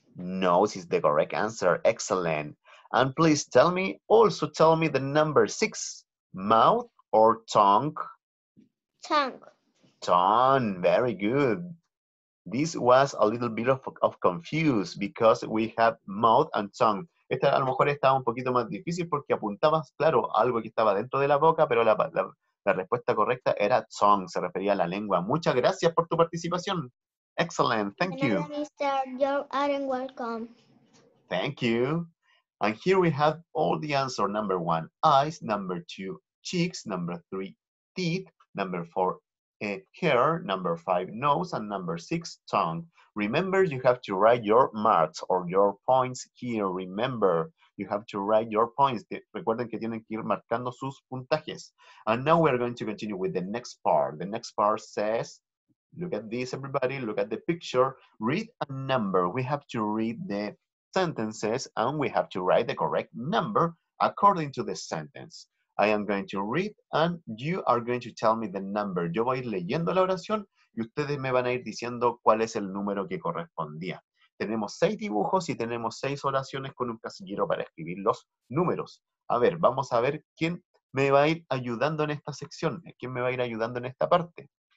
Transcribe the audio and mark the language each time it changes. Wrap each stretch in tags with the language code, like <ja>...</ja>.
<en>Nose is the correct answer. Excellent. And please tell me, also tell me the number six, mouth or tongue? Tongue. Tongue. Very good. This was a little bit of confused because we have mouth and tongue.</en> <es>Esta a lo mejor estaba un poquito más difícil porque apuntabas, claro, algo que estaba dentro de la boca, pero la respuesta correcta era tongue, se refería a la lengua. Muchas gracias por tu participación.</es> <en>Excellent, thank you. You're welcome. Thank you. And here we have all the answer. Number one, eyes. Number two, cheeks. Number three, teeth. Number four, hair. Number five, nose. And number six, tongue. Remember, you have to write your marks or your points here. Remember. You have to write your points.</en> <es>Recuerden que tienen que ir marcando sus puntajes.</es> <en>And now we are going to continue with the next part. The next part says, look at this, everybody. Look at the picture. Read a number. We have to read the sentences and we have to write the correct number according to the sentence. I am going to read and you are going to tell me the number.</en> <es>Yo voy a ir leyendo la oración y ustedes me van a ir diciendo cuál es el número que correspondía. Tenemos seis dibujos y tenemos seis oraciones con un casillero para escribir los números. A ver, vamos a ver quién me va a ir ayudando en esta sección. ¿Quién me va a ir ayudando en esta parte?</es>